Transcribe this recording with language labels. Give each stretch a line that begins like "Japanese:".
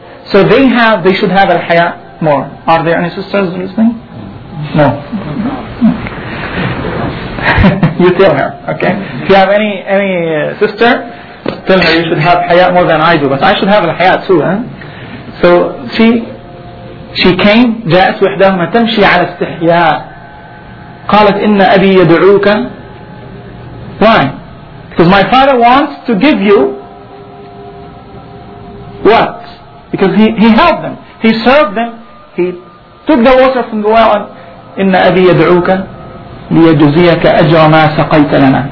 English: So they should have al-haya more. Are there any sisters listening? No. You tell her, okay? If you have any sister, tell her you should have haya more than I do. But I should have a haya too, huh? So she came,
Arabic: جاءت وحدهما تمشي على استحياء. قالت إن أبي يدعوك.
English: Why? Because my father wants to give you what? Because he helped them. He served them. He took the water from the well and
Arabic: إن أبي يدعوك ليجزيك أجر ما سقيت لنا.